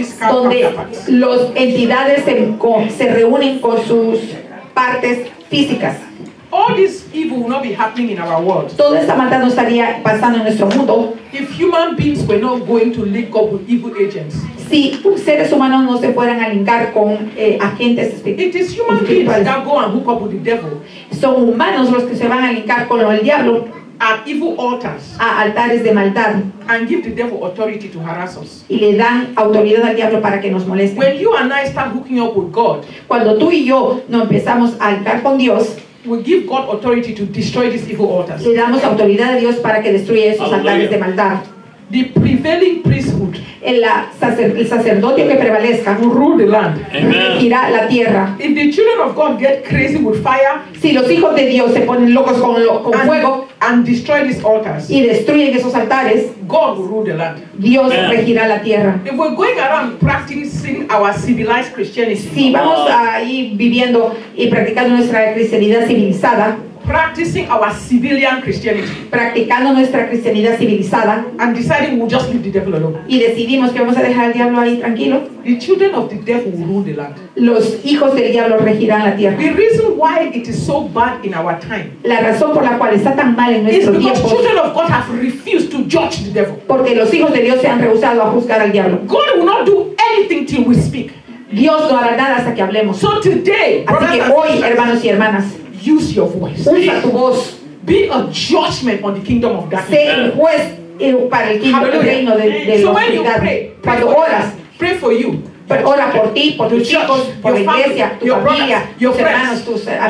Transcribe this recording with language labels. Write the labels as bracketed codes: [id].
[es] Donde las entidades se reúnen con sus partes físicas. [en] All this evil will not be happening in our world. [es] Toda esta maldad no estaría pasando en nuestro mundo. [en] If human beings were not going to link up with evil agents. [es] Si seres humanos no se fueran a linkar con agentes espirituales. [en] It is human beings that go and hook up with the devil. [es] Son humanos los que se van a linkar con el diablo. [en] At evil altars. [es] A altares de maldad. [en] And give the devil authority to harass us. [es] Y le dan autoridad al diablo para que nos moleste. [en] When you and I start hooking up with God. [es] Cuando tú y yo nos empezamos a linkar con Dios. [en] We give God authority to destroy these evil altars. [es] Le damos autoridad a Dios para que destruya esos altares de maldad. [en] The prevailing priesthood. [es] El sacerdote que prevalezca. [en] Will rule the land. [es] Regirá la tierra. [en] If the children of God get crazy with fire. [es] Si los hijos de Dios se ponen locos con fuego. [en] And destroy these altars. [es] Y destruyen esos altares. [en] God will rule the land. [es] Dios regirá la tierra. [en] If we're going around practicing our civilized Christianity. [es] Si vamos ahí viviendo y practicando nuestra cristianidad civilizada. [en] Practicing our civilian Christianity. [es] Practicando nuestra cristianidad civilizada. [en] And deciding we'll just leave the devil alone. [es] Y decidimos que vamos a dejar al diablo ahí tranquilo. [en] The children of the devil will rule the land. [es] Los hijos del diablo regirán la tierra. [en] The reason why it is so bad in our time. [es] La razón por la cual está tan mal en nuestro tiempo. [en] Is because children of God have refused to judge the devil. [es] Porque los hijos de Dios se han rehusado a juzgar al diablo. [en] God will not do anything till we speak. [es] Dios no hará nada hasta que hablemos. [en] So today, [es] así que hoy, hermanos y hermanas. [en] Use your voice. [es] Usa tu voz. [en] Be a judgment on the kingdom of darkness. [es] Sé el juez para el kingdom, el reino de [en] so when you pray, [es] cuando oras, [en] pray for you. [es] Pero ora por ti, por tus hijos, por la iglesia, tu familia, tus hermanos, tus amigos.